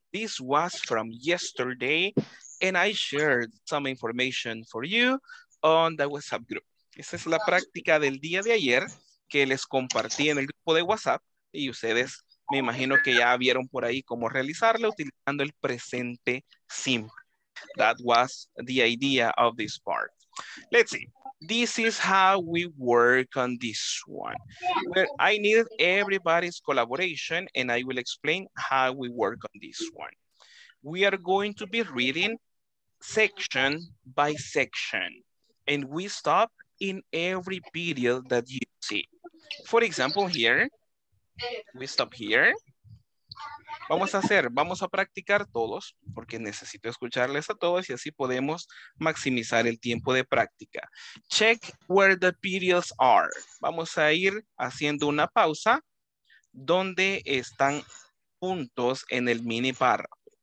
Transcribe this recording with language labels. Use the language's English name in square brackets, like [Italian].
[English] This was from yesterday, and I shared some information for you on the WhatsApp group. [Spanish] Esa es la práctica del día de ayer que les compartí en el grupo de WhatsApp, y ustedes me imagino que ya vieron por ahí cómo realizarla utilizando el presente simple. [English] That was the idea of this part. Let's see. This is how we work on this one. Well, I need everybody's collaboration, and I will explain how we work on this one. We are going to be reading section by section, and we stop in every period that you see. For example, here, we stop here. [Spanish] Vamos a hacer, vamos a practicar todos, porque necesito escucharles a todos y así podemos maximizar el tiempo de práctica. [English] Check where the periods are. [Spanish] Vamos a ir haciendo una pausa donde están puntos en el mini párrafo.